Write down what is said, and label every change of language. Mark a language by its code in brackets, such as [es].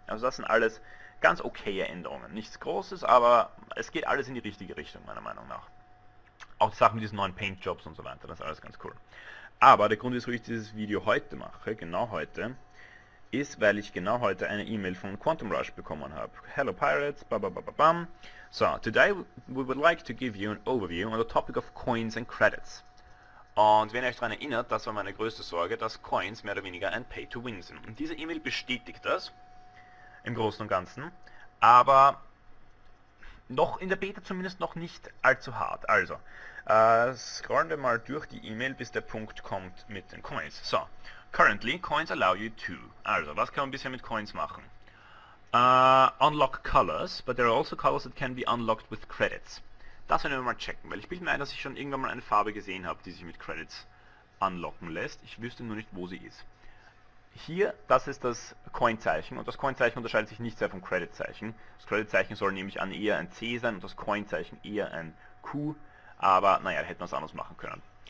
[de] Also das sind alles ganz okaye Änderungen. Nichts Großes, aber es geht alles in die richtige Richtung, meiner Meinung nach. Auch die Sachen mit diesen neuen Paintjobs und so weiter, das ist alles ganz cool. Aber der Grund, wieso ich dieses Video heute mache, genau heute, ist, weil ich genau heute eine E-Mail von Quantum Rush bekommen habe. [en] Hello Pirates, bababababam. So, today we would like to give you an overview on the topic of coins and credits. [de] Und wenn ihr euch daran erinnert, das war meine größte Sorge, dass Coins mehr oder weniger ein Pay-to-Win sind. Und diese E-Mail bestätigt das, im Großen und Ganzen, aber noch in der Beta zumindest noch nicht allzu hart. Also, scrollen wir mal durch die E-Mail, bis der Punkt kommt mit den Coins. [en] So, currently Coins allow you to. [de] Also, was kann man bisher mit Coins machen? [en] Unlock Colors, but there are also colors that can be unlocked with Credits. [de] Das werden wir mal checken, weil ich bilde mir ein, dass ich schon irgendwann mal eine Farbe gesehen habe, die sich mit Credits unlocken lässt. Ich wüsste nur nicht, wo sie ist. Hier, das ist das Coin-Zeichen und das Coin-Zeichen unterscheidet sich nicht sehr vom Credit-Zeichen. Das Credit-Zeichen soll nämlich an eher ein C sein und das Coin-Zeichen eher ein Q, aber naja, hätten wir es anders machen können.